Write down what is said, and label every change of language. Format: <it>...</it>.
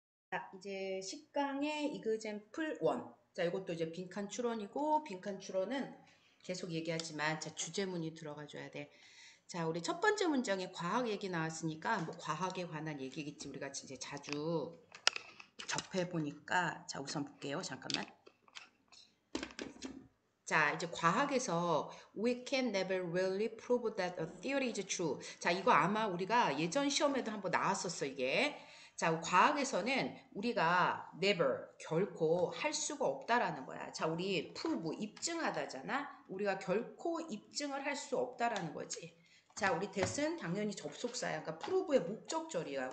<ko>자, 이제 식강의 이그젠플 1. 자, 이것도 이제 빈칸 추론이고, 빈칸 추론은 계속 얘기하지만, 자, 주제문이 들어가 줘야 돼. 자, 우리 첫 번째 문장에 과학 얘기 나왔으니까, 뭐 과학에 관한 얘기겠지. 우리가 이제 자주 접해보니까. 자, 우선 볼게요. 잠깐만. 자, 이제 과학에서</ko> <en>we can never really prove that a theory is true.</en> <ko>자, 이거 아마 우리가 예전 시험에도 한번 나왔었어, 이게. 자, 과학에서는 우리가 never, 결코 할 수가 없다라는 거야. 자, 우리 prove, 입증하다잖아? 우리가 결코 입증을 할수 없다라는 거지. 자, 우리 that은 당연히 접속사야. 그러니까 prove의 목적절이야.</ko>